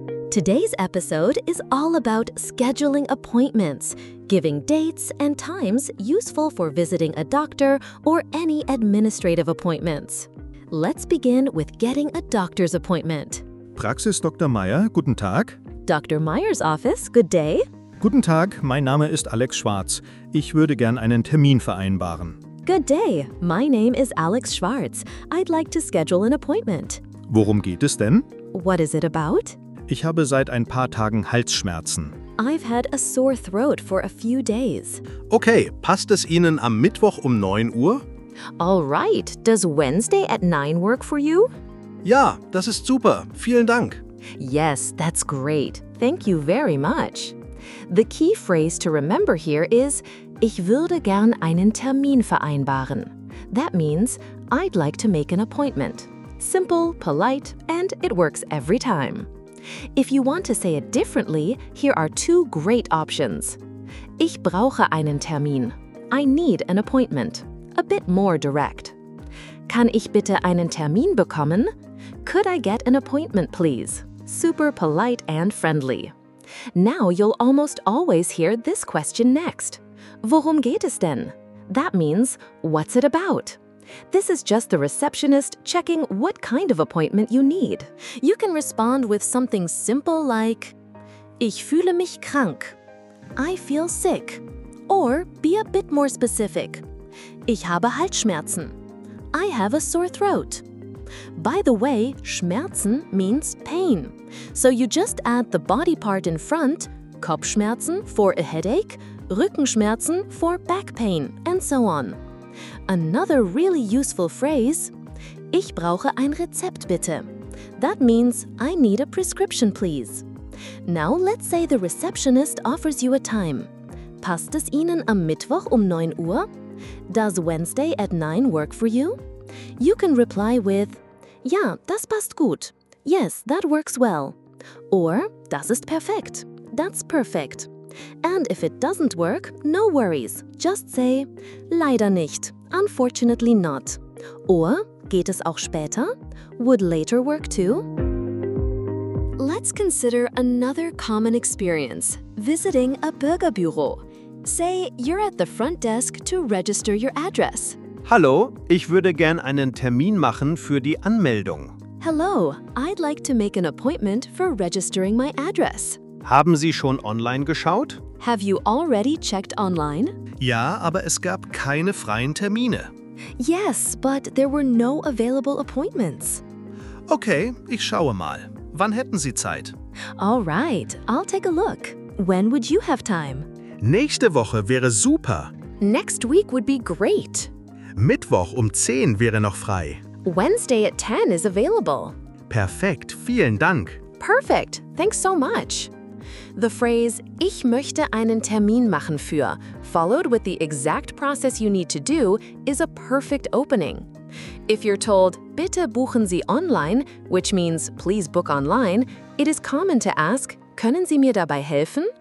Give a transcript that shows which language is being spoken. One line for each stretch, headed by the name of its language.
English: Today's episode is all about scheduling appointments, giving dates and times useful for visiting a doctor or any administrative appointments. Let's begin with getting a doctor's appointment.
German: Praxis Dr. Meyer, guten Tag.
English: Dr. Meyer's office, good day.
German: Guten Tag, mein Name ist Alex Schwarz. Ich würde gern einen Termin vereinbaren.
English: Good day, my name is Alex Schwarz. I'd like to schedule an appointment.
German: Worum geht es denn?
English: What is it about?
German: Ich habe seit ein paar Tagen Halsschmerzen.
English: I've had a sore throat for a few days.
German: Okay, passt es Ihnen am Mittwoch um 9 Uhr?
English: All right, does Wednesday at 9 work for you?
German: Ja, das ist super. Vielen Dank.
English: Yes, that's great. Thank you very much. The key phrase to remember here is,
German: ich würde gern einen Termin vereinbaren.
English: That means, I'd like to make an appointment. Simple, polite, and it works every time. If you want to say it differently, here are two great options.
German: Ich brauche einen Termin.
English: I need an appointment. A bit more direct.
German: Kann ich bitte einen Termin bekommen?
English: Could I get an appointment, please? Super polite and friendly. Now you'll almost always hear this question next.
German: Worum geht es denn?
English: That means, what's it about? This is just the receptionist checking what kind of appointment you need. You can respond with something simple like,
German: Ich fühle mich krank.
English: I feel sick. Or be a bit more specific.
German: Ich habe Halsschmerzen.
English: I have a sore throat. By the way, Schmerzen means pain. So you just add the body part in front, Kopfschmerzen for a headache, Rückenschmerzen for back pain, and so on. Another really useful phrase,
German: Ich brauche ein Rezept bitte.
English: That means I need a prescription please. Now let's say the receptionist offers you a time.
German: Passt es Ihnen am Mittwoch um 9 Uhr?
English: Does Wednesday at 9 work for you? You can reply with,
German: Ja, das passt gut.
English: Yes, that works well. Or,
German: Das ist perfekt.
English: That's perfect. And if it doesn't work, no worries. Just say,
German: Leider nicht.
English: Unfortunately not. Or,
German: Geht es auch später?
English: Would later work too? Let's consider another common experience, visiting a Bürgerbüro. Say, you're at the front desk to register your address.
German: Hallo, ich würde gern einen Termin machen für die Anmeldung.
English: Hello, I'd like to make an appointment for registering my address.
German: Haben Sie schon online geschaut?
English: Have you already checked online?
German: Ja, aber es gab keine freien Termine.
English: Yes, but there were no available appointments.
German: Okay, ich schaue mal. Wann hätten Sie Zeit?
English: All right, I'll take a look. When would you have time?
German: Nächste Woche wäre super.
English: Next week would be great.
German: Mittwoch um 10 wäre noch frei.
English: Wednesday at 10 is available.
German: Perfekt, vielen Dank.
English: Perfect, thanks so much. The phrase,
German: ich möchte einen Termin machen für,
English: followed with the exact process you need to do, is a perfect opening. If you're told,
German: bitte buchen Sie online,
English: which means please book online, it is common to ask,
German: können Sie mir dabei helfen?